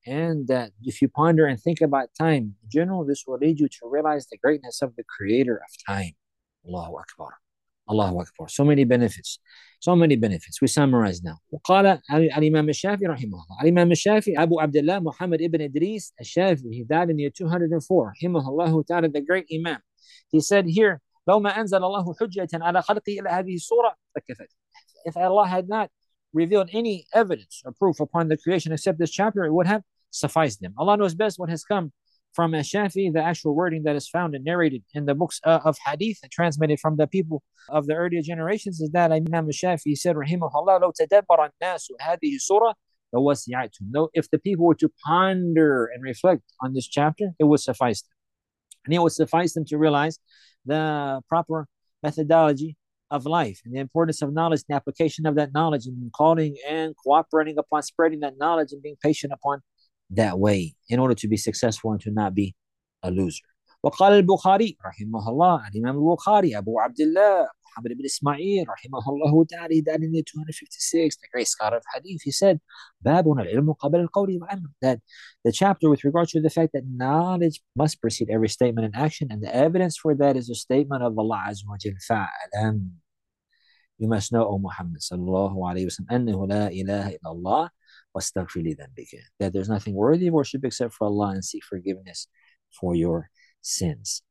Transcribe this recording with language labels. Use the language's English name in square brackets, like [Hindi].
[English] And that if you ponder and think about time in general, this will lead you to realize the greatness of the creator of time. Allahu Akbar. Allahu Akbar. So many benefits. We summarize now. [Arabic] Qala al-Imam al-Shafi rahimahullah. [English] Al-Imam al-Shafi, Abu Abdullah Muhammad ibn Idris al-Shafi, he died in the year 204. [Arabic] Himahullahu ta'ala, the great Imam. [English] He said here, [Arabic] لو ما أنزل الله حجة على خلقه إلى هذه الصورة فكفت. [English] If Allah had not revealed any evidence or proof upon the creation except this chapter, it would have sufficed them. Allah knows best what has come from Ash-Shafi, the actual wording that is found and narrated in the books of Hadith transmitted from the people of the earlier generations is that Imam Ash-Shafi said, رحمه الله, [Arabic] لو تدبر الناس هذه الصورة لوسعتهم. [English] No, if the people were to ponder and reflect on this chapter, it would suffice them. And it would suffice them to realize the proper methodology of life and the importance of knowledge, the application of that knowledge, and calling and cooperating upon spreading that knowledge and being patient upon that way in order to be successful and to not be a loser. [Arabic] وقال البخاري رحمه الله الإمام البخاري أبو عبد الله محمد بن إسماعيل رحمه الله تعالى [English] died in the 256, the great scholar of hadith. He said, [Arabic] باب العلم قبل القول والعمل, [English] that the chapter with regard to the fact that knowledge must precede every statement and action, and the evidence for that is a statement of Allah عز وجل فعلا. You must know, O Muhammad صلى الله عليه وسلم, [Arabic] أنه لا إله إلا الله واستغفر لذنبك, [English] that there's nothing worthy of worship except for Allah, and seek forgiveness for your sins.